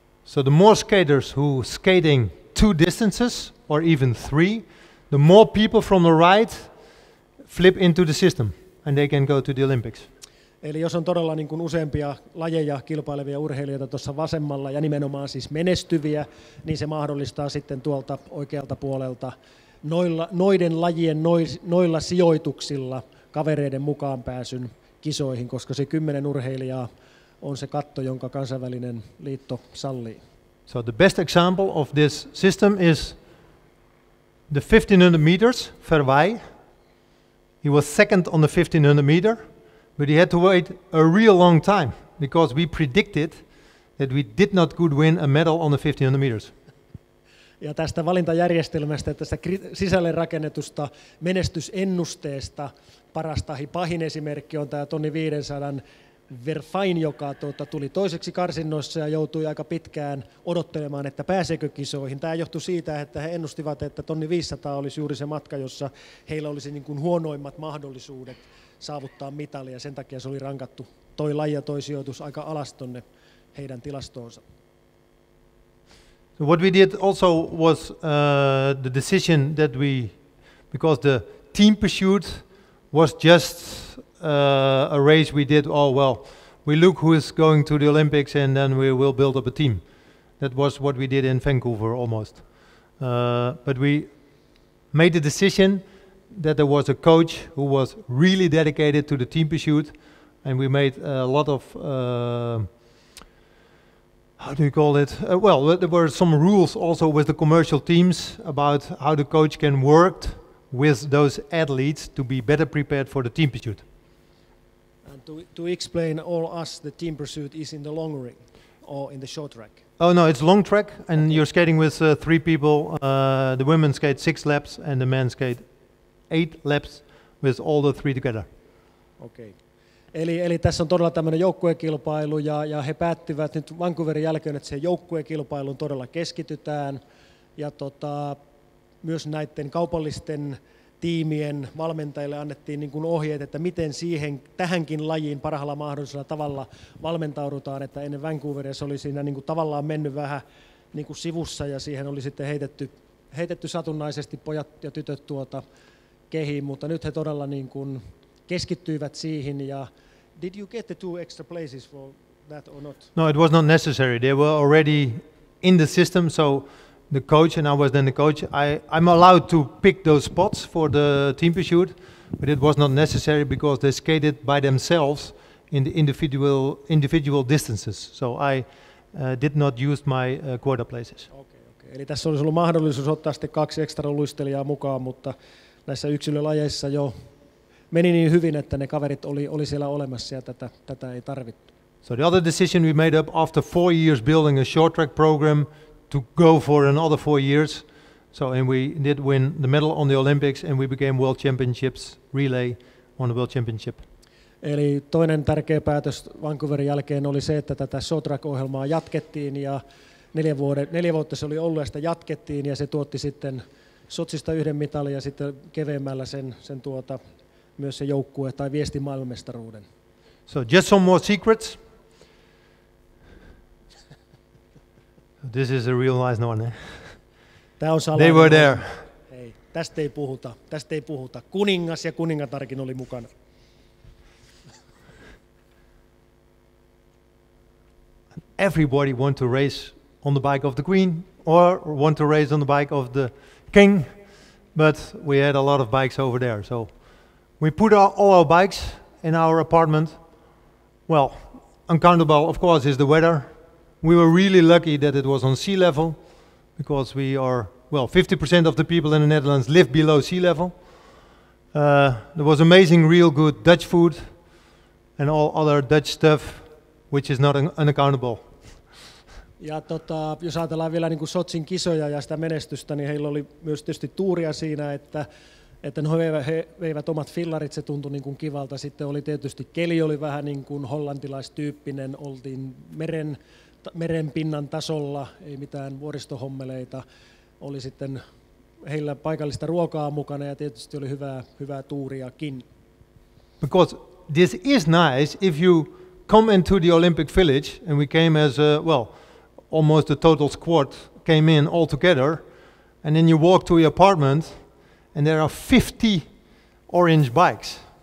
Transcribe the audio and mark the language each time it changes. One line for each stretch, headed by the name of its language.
English: So the more skaters who skating 2 distances or even 3, the more people from the right flip into the system and they can go to the Olympics.
Finnish: Eli jos on todella niin kuin useampia lajeja kilpailevia urheilijoita tuossa vasemmalla ja nimenomaan siis menestyviä, niin se mahdollistaa sitten tuolta oikealta puolelta noilla sijoituksilla kavereiden mukaan pääsyn kisoihin, koska se 10 urheilijaa on se katto, jonka kansainvälinen liitto sallii.
English: So the best example of this system is the 1500 meters, Verwij. He was second on the 1500 meter, but he had to wait a real long time because we predicted that we did not could win a medal on the 1500 meters.
Finnish: Ja tästä valintajärjestelmästä, tästä sisälle rakennetusta menestysennusteesta paras tahi pahin esimerkki on tämä 1500 Verfain, joka tuli toiseksi karsinnoissa ja joutui aika pitkään odottelemaan, että pääseekö kisoihin. Tämä johtui siitä, että he ennustivat, että 1500 olisi juuri se matka, jossa heillä olisi niin kuin huonoimmat mahdollisuudet saavuttaa mitalia. Sen takia se oli rankattu toi laji ja toi sijoitus aika alas tuonne heidän tilastoonsa.
English: So what we did also was the decision that we, because the team pursuit was just a race we did, oh well, we look who is going to the Olympics and then we will build up a team. That was what we did in Vancouver almost. But we made the decision that there was a coach who was really dedicated to the team pursuit, and we made a lot of, how do you call it? Well, there were some rules also with the commercial teams about how the coach can work with those athletes to be better prepared for the team pursuit. And to explain all us, the team pursuit is in the long ring or in the short track? Oh no, it's long track and okay. You're skating with three people. The women skate 6 laps and the men skate 8 laps with all the three together. Okay.
Finnish: Eli tässä on todella tämmöinen joukkuekilpailu ja he päättivät nyt Vancouverin jälkeen, että se joukkuekilpailuun todella keskitytään. Ja myös näiden kaupallisten tiimien valmentajille annettiin niin kuin ohjeet, että miten siihen tähänkin lajiin parhaalla mahdollisella tavalla valmentaudutaan. Että ennen Vancouveria se oli siinä niin kuin tavallaan mennyt vähän niin kuin sivussa ja siihen oli sitten heitetty satunnaisesti pojat ja tytöt kehiin, mutta nyt he todella niin kuin keskittyivät siihen.
English: Ja did you get the 2 extra places for that or not? No, it was not necessary. They were already in the system, so the coach, and I was then the coach, I'm allowed to pick those spots for the team pursuit, but it was not necessary because they skated by themselves in the individual distances. So I did not use my quota places. Okay.
Finnish: Eli tässä olisi ollut mahdollisuus ottaa sitten 2 ekstra luistelijaa mukaan, mutta näissä yksilölajeissa jo meni niin hyvin, että ne kaverit oli siellä olemassa ja tätä ei tarvittu.
English: So the other decision we made up after 4 years building a short track program to go for another 4 years. So and we did win the medal on the Olympics and we became world championships relay on the world championship.
Finnish: Eli toinen tärkeä päätös Vancouverin jälkeen oli se, että tätä short track ohjelmaa jatkettiin ja 4 vuotta se oli ollut ja sitä jatkettiin ja se tuotti sitten Sotsista 1 mitalin ja sitten keveemmällä sen myös se joukkue tai viesti maailmanmestaruuden.
English: So just some more secrets. This is a real nice one.
Finnish: Tää on
English: they were there.
Finnish: Hei, tästä ei puhuta. Kuningas ja kuningatarkin oli mukana.
English: Everybody want to race on the bike of the queen or want to race on the bike of the king, but we had a lot of bikes over there, so we put all our bikes in our apartment. Well, uncountable, of course, is the weather. We were really lucky that it was on sea level, because we are, well, 50% of the people in the Netherlands live below sea level. There was amazing, real good Dutch food and all other Dutch stuff, which is not unaccountable.
Finnish: Ja jos ajatellaan vielä niin kuin Sotsin kisoja ja sitä menestystä, niin heillä oli myös tietysti tuuria siinä, että no he veivät omat fillarit, se tuntui niin kuin kivalta. Sitten oli tietysti keli oli vähän niin kuin hollantilaistyyppinen, oltiin meren pinnan tasolla, ei mitään vuoristohommeleita. Oli sitten heillä paikallista ruokaa mukana ja tietysti oli hyvää tuuriakin.
English: Because this is nice if you come into the Olympic village and we came as a, well, almost a total squad came in all together and then you walk to your apartment and there are 50 orange bikes.